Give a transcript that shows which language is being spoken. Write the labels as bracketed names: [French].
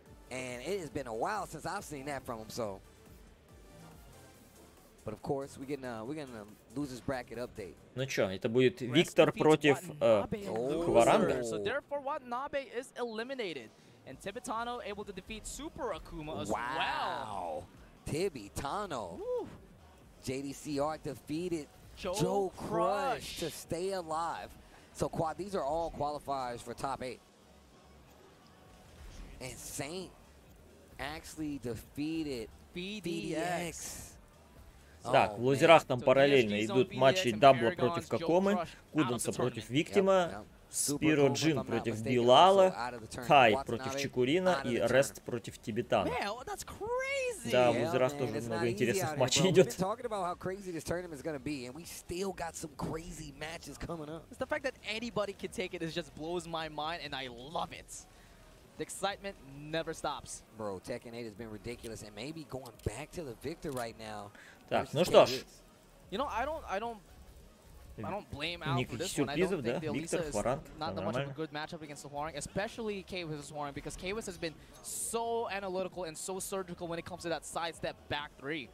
[English] And it has been a while since I've seen that from him, so. But of course, we're getting a loser's bracket update. [Russian] Ну что, это будет Виктор против Кваранга. [English] So therefore, Watanabe is eliminated. And Tibitano able to defeat Super Akuma as wow. well. Tibitano. JDCR defeated Joe Crush to stay alive. So these are all qualifiers for top 8. And Saint actually defeated BDX. [Russian] Так, в лузерах там параллельно идут матчи Дабла против Кокомы, Куденса против Виктима, Спиро Джин против Билала, Хай против Чикурина и Рест против Тибетана. Да, в лузерах тоже много интересных матчей идет. [English] The excitement never stops. Bro, Tekken 8 has been ridiculous and maybe going back to the victor right now. [Russian] Так, ну что ж. [English] You know, I don't blame Al for this one. I don't think the Elisa is not that much of a good matchup against the Hwarang, especially Kaywiz is Hwarang, because Kaywiz has been so analytical and so surgical when it comes to that sidestep back three.